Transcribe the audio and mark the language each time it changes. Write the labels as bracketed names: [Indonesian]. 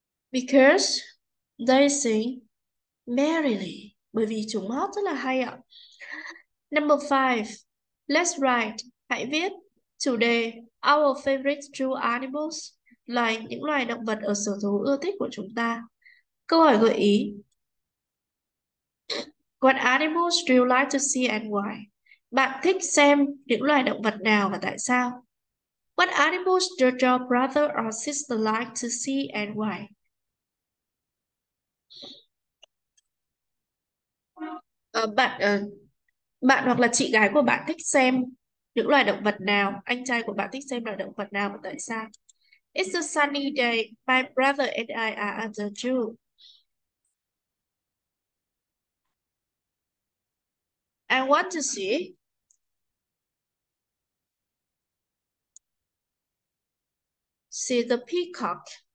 [English] Because they sing merrily. [Vietnamese] Bởi vì chúng hót rất là hay ạ. [English] Number 5. Let's write. [Vietnamese] Hãy viết. [English] Today, our favorite zoo animals. [Vietnamese] Loài những loài động vật ở sở thú ưa thích của chúng ta. Câu hỏi gợi ý. [English] What animals do you like to see and why? [Vietnamese] Bạn thích xem những loài động vật nào và tại sao? [English] What animals do your brother or sister like to see and why? [Vietnamese] Bạn hoặc là chị gái của bạn thích xem những loài động vật nào? Anh trai của bạn thích xem loài động vật nào và tại sao? [English] It's a sunny day. My brother and I are at the zoo. I want to see. See the peacock.